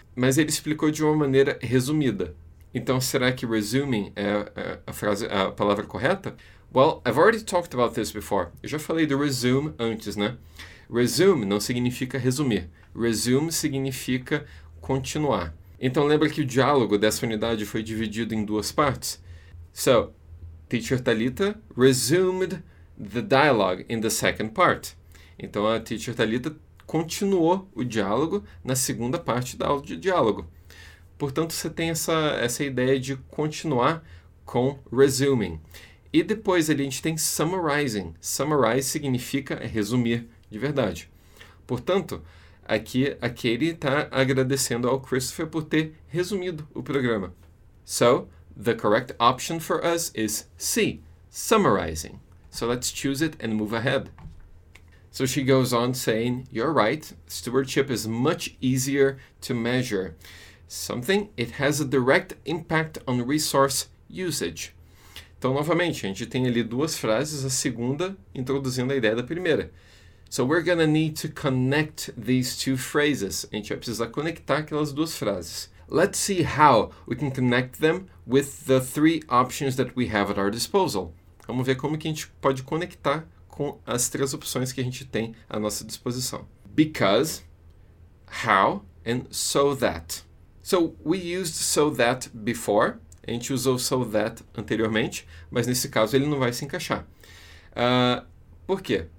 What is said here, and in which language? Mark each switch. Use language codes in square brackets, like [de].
[pt] Mas ele explicou de uma maneira resumida. Então, será que resuming é a palavra correta? [en] Well, I've already talked about this before. [pt] Eu já falei do resume antes, né? Resume não significa resumir. Resume significa continuar. Então, lembra que o diálogo dessa unidade foi dividido em duas partes? [en] So, teacher Talita resumed the dialogue in the second part. [pt] Então, a teacher Talita continuou o diálogo na segunda parte da aula de diálogo. Portanto, você tem essa ideia de continuar com resuming. E depois ali a gente tem summarizing. Summarize significa resumir de verdade. Portanto, aqui a Katie está agradecendo ao Christopher por ter resumido o programa. [en] So, the correct option for us is C, summarizing. So let's choose it and move ahead. So she goes on saying, "You're right, stewardship is much easier to measure. Something, it has a direct impact on resource usage." [pt] Então, novamente, a gente tem ali duas frases, a segunda introduzindo a ideia da primeira. [en] So we're gonna need to connect these two phrases. [pt] A gente vai precisar conectar aquelas duas frases. [en] Let's see how we can connect them with the three options that we have at our disposal. [pt] Vamos ver como que a gente pode conectar com as três opções que a gente tem à nossa disposição. [en] Because, how, and so that. So, we used so that before. [pt] A gente usou so that anteriormente, mas nesse caso ele não vai se encaixar. Por quê?